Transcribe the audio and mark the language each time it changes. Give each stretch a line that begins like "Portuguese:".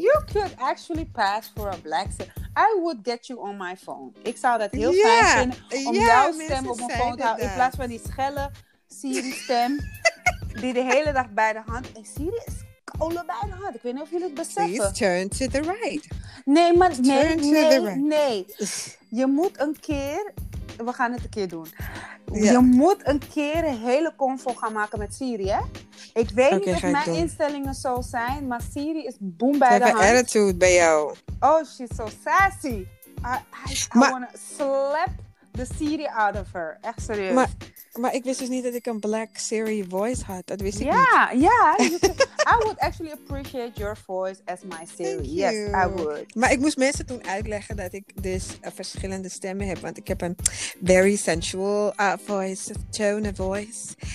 English: You could actually pass for a Black Siri. I would get you on my phone.
Dutch: Ik zou dat heel fijn vinden om jouw stem op mijn phone te houden. In plaats van die schelle Siri stem. Die de hele dag bij de hand. En Siri is kolen bij de hand. Ik weet niet of jullie het beseffen.
English: Please turn to the right.
Dutch: Nee, maar nee. Je moet een keer... We gaan het een keer doen. Yeah. Je moet een keer een hele convo gaan maken met Siri, hè? Ik weet niet of mijn instellingen zo zijn, maar Siri is boem bij de hand. Heb een attitude bij jou.
English: Oh, she's so sassy. I wanna slap the Siri out of her.
Dutch: Echt serieus. Maar ik wist dus niet dat ik een Black Siri voice had. Dat wist ik niet. Ja, yeah, ja.
English: I would actually appreciate your voice as my Siri. yes, you. I would.
Dutch: Maar ik moest mensen toen uitleggen dat ik dus verschillende stemmen heb. Want ik heb een
English: very sensual voice, tone of voice.